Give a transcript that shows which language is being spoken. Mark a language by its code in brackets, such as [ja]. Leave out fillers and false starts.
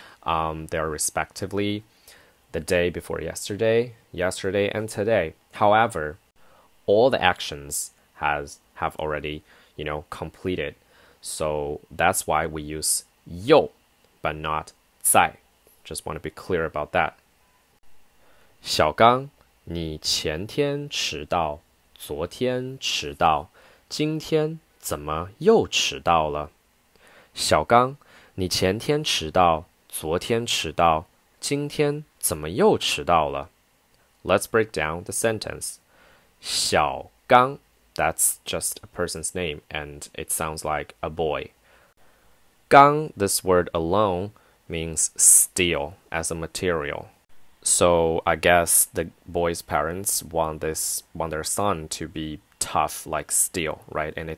[en] They are respectively the day before yesterday, yesterday, and today. However, all the actions have already, completed. So that's why we use 又, but not 在. Just want to be clear about that. [zh] 小刚, 你前天迟到, 昨天迟到, 今天怎么又迟到了? 小刚, 你前天迟到, 昨天迟到, 今天怎么又迟到了? [en] Let's break down the sentence. 小刚, that's just a person's name and it sounds like a boy. 刚, this word alone means steel as a material. So I guess the boy's parents want their son to be tough like steel, right?